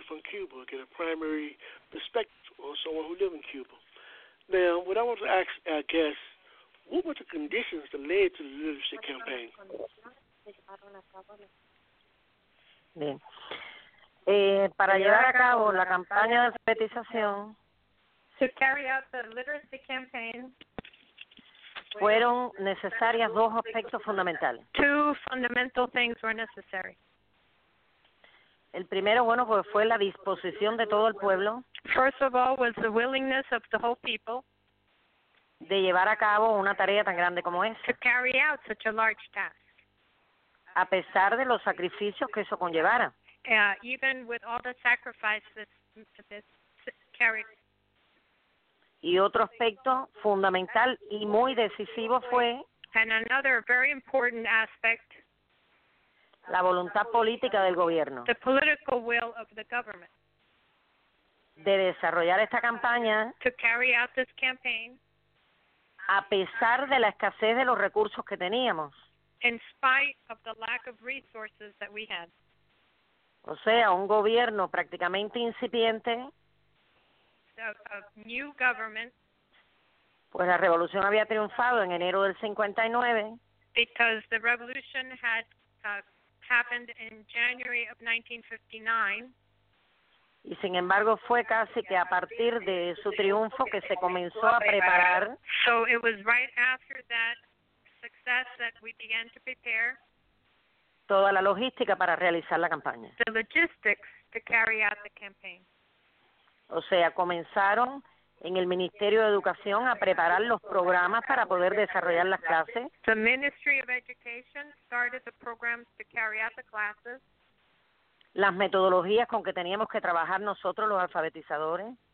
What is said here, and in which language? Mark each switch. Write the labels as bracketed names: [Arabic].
[English] Cuba, get a primary perspective on someone who lives in Cuba. Now, what I want to ask our guests, what were the conditions that led to the literacy campaign? [Spanish] Bien. Para llevar a cabo la campaña de alfabetización, [English] to carry out the literacy campaign, [Spanish] fueron necesarias dos aspectos fundamentales. [English] Two fundamental things were necessary. [Spanish] El primero, bueno, pues fue la disposición de todo el pueblo. [English] First of all, was the willingness of the whole people. [Spanish] De llevar a cabo una tarea tan grande como esa. [English] To carry out such a large task. [Spanish] A pesar de los sacrificios que eso conllevara. [English] Even with all the sacrifices that this carried. [Spanish] Y otro aspecto fundamental y muy decisivo fue. [English] And another very important aspect. [Spanish] La voluntad política del gobierno. [English] The political will of the government. [Spanish] De desarrollar esta campaña. [English] To carry out this campaign. [Spanish] A pesar de la escasez de los recursos que teníamos. [English] In spite of the lack of resources that we had. [Spanish] O sea, un gobierno prácticamente incipiente. [English] A new government. [Spanish] Pues la revolución había triunfado en enero del 59. [English] Because the revolution had happened in January of 1959. [Spanish] Y sin embargo fue casi que a partir de su triunfo que se comenzó a preparar. [English] So it was right after that success that we began to prepare. [Spanish] Toda la logística para realizar la campaña. [English] The logistics to carry out the campaign. [Spanish] O sea, comenzaron en el Ministerio de Educación a preparar los programas para poder desarrollar las clases. [English] The Ministry of Education started the programs to carry out the classes. [Spanish] Las metodologías con que teníamos que trabajar nosotros los alfabetizadores.